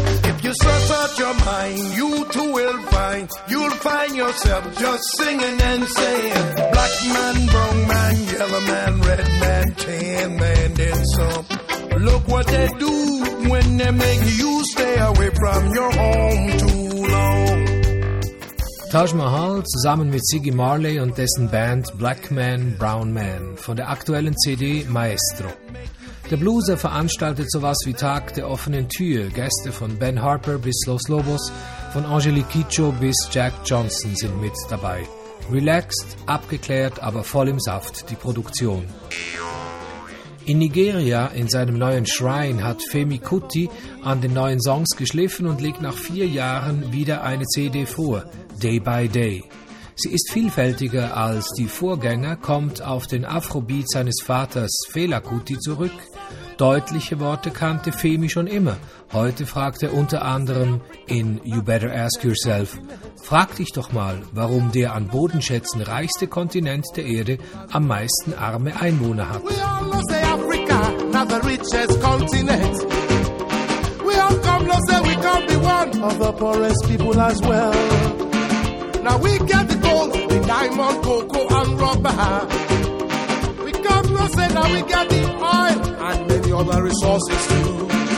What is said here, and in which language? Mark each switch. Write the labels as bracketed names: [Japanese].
[English] If you search out your mind, you too will find, you'll find yourself just singing and saying, black man, brown man, yellow man, red man, tan man, and some. Look what they do when they make you stay away from your home too long. [German] Taj Mahal zusammen mit Ziggy Marley und dessen Band Black Man, Brown Man von der aktuellen CD Maestro. Der Blueser veranstaltet sowas wie Tag der offenen Tür. Gäste von Ben Harper bis Los Lobos, von Angelique Kidjo bis Jack Johnson sind mit dabei. Relaxed, abgeklärt, aber voll im Saft die Produktion. In Nigeria, in seinem neuen Shrine, hat Femi Kuti an den neuen Songs geschliffen und legt nach 4 Jahren wieder eine CD vor, Day by Day. Sie ist vielfältiger als die Vorgänger, kommt auf den Afrobeat seines Vaters Fela Kuti zurück. Deutliche Worte kannte Femi schon immer. Heute fragt er unter anderem in You Better Ask Yourself, frag dich doch mal, warum der an Bodenschätzen reichste Kontinent der Erde am meisten arme Einwohner hat. [English] We all know say Africa, not the richest continent. We all come to say we can't be one of the poorest people as well. Now we get the gold, the diamond, cocoa and rubber. We come to say now we get the oil and many other resources too.